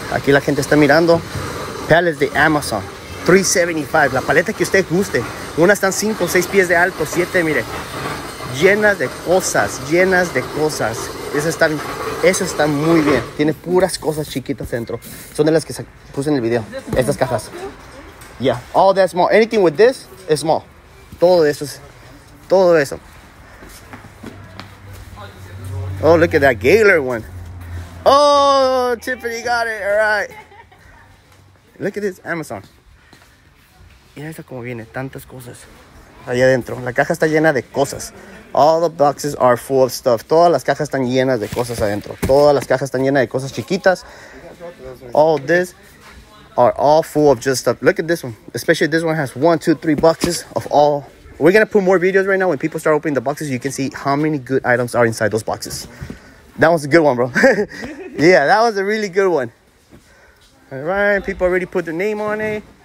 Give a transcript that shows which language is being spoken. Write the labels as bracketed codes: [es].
[es] Aquí la gente está mirando. Pallets de Amazon. $3.75. La paleta que usted guste. Unas están 5 o 6 pies de alto. 7, mire. Llenas de cosas. Llenas de cosas. Esas están muy bien. Tiene puras cosas chiquitas dentro. Son de las que puse en el video. Estas cajas. [en] Yeah. All that small. Anything with this is small. [es] Todo eso es. Todo eso. [en] Oh, look at that Gaylor one. Oh, Tiffany got it. All right. Look at this Amazon. [es] Mira esa como viene. Tantas cosas. Allá adentro. La caja está llena de cosas. [en] All the boxes are full of stuff. [es] Todas las cajas están llenas de cosas adentro. Todas las cajas están llenas de cosas chiquitas. [en] All this are all full of just stuff. Look at this one. Especially this one has 1, 2, 3 boxes of all. We're going to put more videos right now. When people start opening the boxes, you can see how many good items are inside those boxes. That was a good one, bro. Yeah, that was a really good one. All right, people already put their name on it.